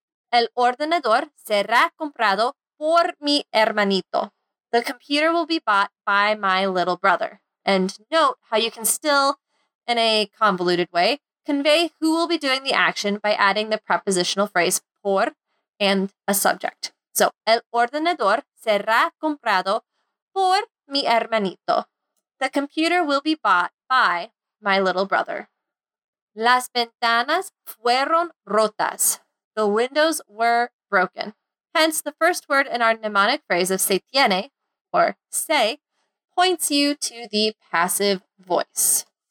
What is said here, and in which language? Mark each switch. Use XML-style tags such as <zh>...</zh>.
<es>El ordenador será comprado por mi hermanito.</es> <en>The computer will be bought by my little brother. And note how you can still, in a convoluted way, convey who will be doing the action by adding the prepositional phrase por and a subject.</en> <es>So, el ordenador será comprado por mi hermanito.</es> <en>The computer will be bought by my little brother.</en> <es>Las ventanas fueron rotas.</es> <en>The windows were broken. Hence, the first word in our mnemonic phrase of se tiene, or se, points you to the passive voice.</en>